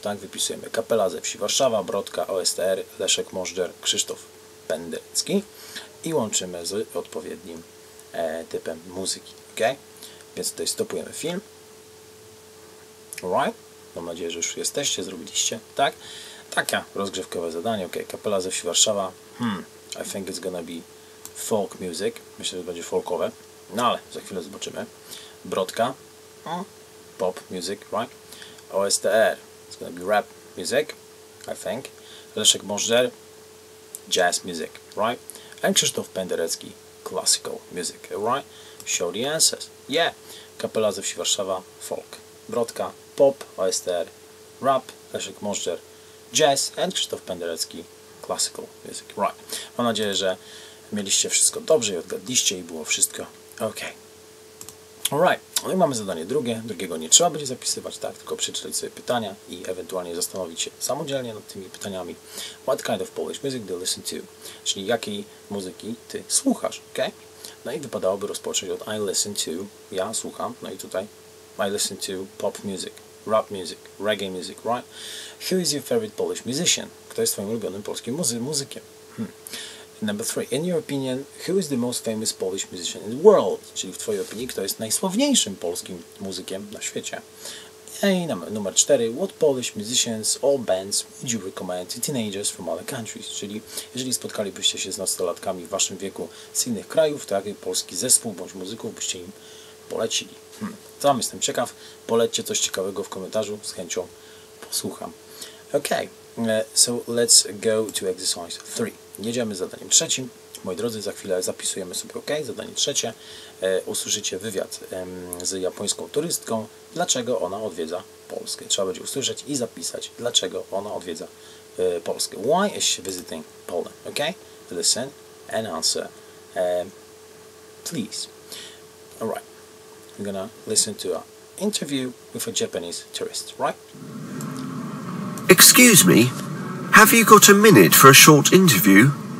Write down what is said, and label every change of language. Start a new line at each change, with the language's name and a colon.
Polish: Tak, wypisujemy kapela ze wsi Warszawa, Brodka, OSTR, Leszek Możdżer, Krzysztof Pendecki i łączymy z odpowiednim typem muzyki. Okay? Więc tutaj stopujemy film. Right. Mam nadzieję, że już jesteście, zrobiliście, tak? Takie rozgrzewkowe zadanie, ok. Kapela ze wsi Warszawa.
English: I think it's gonna be folk music.
Polish: Myślę, że będzie folkowe. No ale za chwilę zobaczymy.
English: Brodka. Pop music, right? OSTR. It's gonna be rap music, I think. Leszek Możdżer. Jazz music, right? And Krzysztof Penderecki. Classical music, right? Show the answers. Yeah. Kapela ze wsi Warszawa. Folk. Brodka. Pop, OSTR, rap, Leszek Możdżer, jazz and Krzysztof Penderecki, classical music. Right.
Polish: Mam nadzieję, że mieliście wszystko dobrze i odgadliście i było wszystko ok. Alright. No i mamy zadanie drugie. Drugiego nie trzeba będzie zapisywać, tak? Tylko przeczytać sobie pytania i ewentualnie zastanowić się samodzielnie nad tymi pytaniami.
English: What kind of Polish music do you listen to?
Polish: Czyli jakiej muzyki ty słuchasz, ok? No i wypadałoby rozpocząć od
English: I listen to,
Polish: ja słucham, no i tutaj
English: I listen to pop music, rap music, reggae music, right? Who is your favorite Polish musician?
Polish: Kto jest twoim ulubionym polskim muzykiem?
English: Number three. In your opinion, who is the most famous Polish musician in the world?
Polish: Czyli w twojej opinii, kto jest najsławniejszym polskim muzykiem na świecie? I numer cztery.
English: What Polish musicians or bands would you recommend to teenagers from other countries?
Polish: Czyli jeżeli spotkalibyście się z nastolatkami w waszym wieku z innych krajów, to jaki polski zespół bądź muzyków byście im polecili? Sam jestem ciekaw. Polećcie coś ciekawego w komentarzu. Z chęcią posłucham.
English: Ok, so let's go to exercise 3.
Polish: Jedziemy z zadaniem trzecim. Moi drodzy, za chwilę zapisujemy sobie ok. Zadanie trzecie. Usłyszycie wywiad z japońską turystką. Dlaczego ona odwiedza Polskę? Trzeba będzie usłyszeć i zapisać, dlaczego ona odwiedza Polskę.
English: Why is she visiting Poland? Ok, listen and answer. Please. All right. I'm gonna listen to an interview with a Japanese tourist, right? Excuse me, have you got a minute for a short interview?